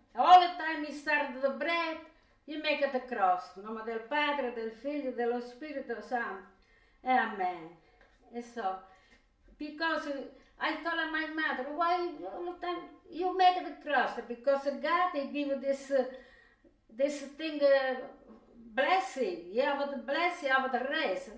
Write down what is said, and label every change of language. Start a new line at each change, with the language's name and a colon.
English: All the time he started the bread, he make the cross.
Italian: In nome del Padre, del Figlio, dello Spirito Santo. Amen.
English: And so, because I told my mother, why all the time you make the cross? Because God, he give this thing, blessing. You have the blessing, you have the rest.